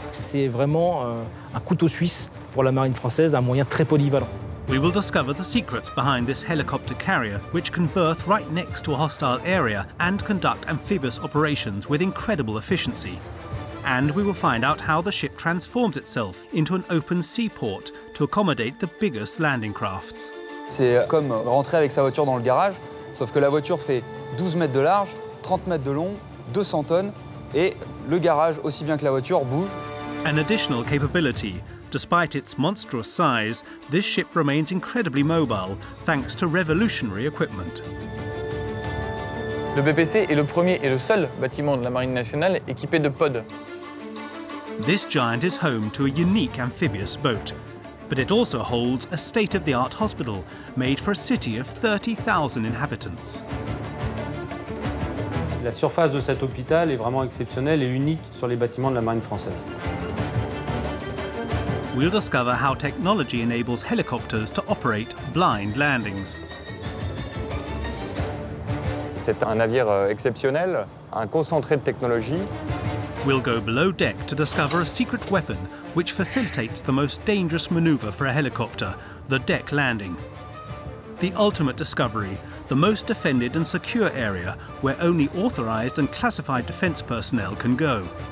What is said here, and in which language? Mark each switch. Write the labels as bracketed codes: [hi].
[fr] C'est vraiment un couteau suisse pour la marine française, un moyen très polyvalent. [en] We will discover the secrets behind this helicopter carrier, which can berth right next to a hostile area and conduct amphibious operations with incredible efficiency. And we will find out how the ship transforms itself into an open seaport to accommodate the biggest landing crafts. [fr] C'est comme rentrer avec sa voiture dans le garage, sauf que la voiture fait 12 mètres de large, 30 mètres de long, 200 tonnes, et le garage, aussi bien que la voiture, bouge. [en] An additional capability. Despite its monstrous size, this ship remains incredibly mobile thanks to revolutionary equipment. [fr] Le BPC est le premier et le seul bâtiment de la Marine nationale équipé de pods. [en] This giant is home to a unique amphibious boat, but it also holds a state-of-the-art hospital made for a city of 30,000 inhabitants. [fr] La surface de cet hôpital est vraiment exceptionnelle et unique sur les bâtiments de la Marine française. [en] We'll discover how technology enables helicopters to operate blind landings. [fr] C'est un navire exceptionnel, un concentré de technologie. [en] We'll go below deck to discover a secret weapon which facilitates the most dangerous maneuver for a helicopter, the deck landing. The ultimate discovery, the most defended and secure area where only authorized and classified defense personnel can go.